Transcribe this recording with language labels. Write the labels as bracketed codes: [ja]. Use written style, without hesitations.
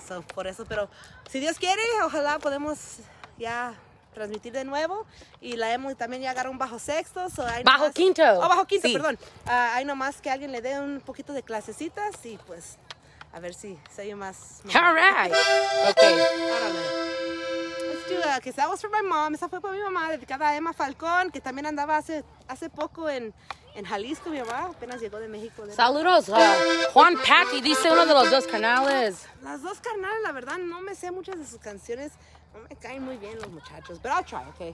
[es] So, por eso, pero si Dios quiere, ojalá podemos ya transmitir de nuevo. Y la hemos también ya agarró un bajo sexto. So hay bajo nomás, quinto. Oh, bajo quinto, sí. Perdón. Hay nomás que alguien le dé un poquito de clasecitas y pues a ver si se oye más. [en] All right. Okay. Let's do that, because that was for my mom. [es] Esa fue para mi mamá, dedicada a Emma Falcón, que también andaba hace poco en Jalisco, mi mamá. Apenas llegó de México. Saludos. Juan Patti dice uno de los dos canales. Las dos canales, la verdad, no me sé muchas de sus canciones. Me caen muy bien los muchachos, pero [en] I'll try, okay.